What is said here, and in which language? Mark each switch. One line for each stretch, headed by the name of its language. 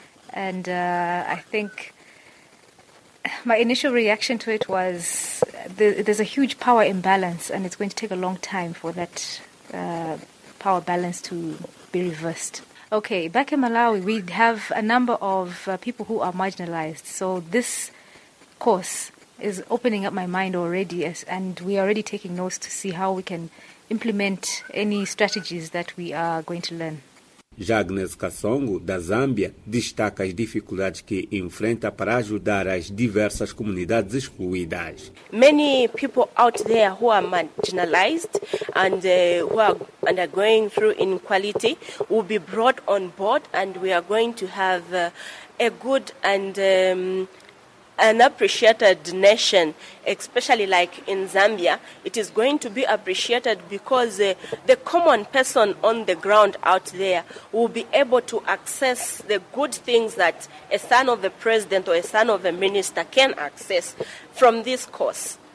English: And I think my initial reaction to it was there's a huge power imbalance, and it's going to take a long time for that power balance to be reversed. Okay, back in Malawi, we have a number of people who are marginalized. So this course is opening up my mind already, and we are already taking notes to see how we can implement any strategies that we are going to learn.
Portuguese: Já Agnes Kassongo, da Zâmbia, destaca as dificuldades que enfrenta para ajudar as diversas comunidades excluídas.
English: Many people out there who are marginalized and who are undergoing through inequality will be brought on board, and we are going to have a good and an appreciated nation, especially like in Zambia, it is going to be appreciated because the common person on the ground out there will be able to access the good things that a son of the president or a son of a minister can access from this course.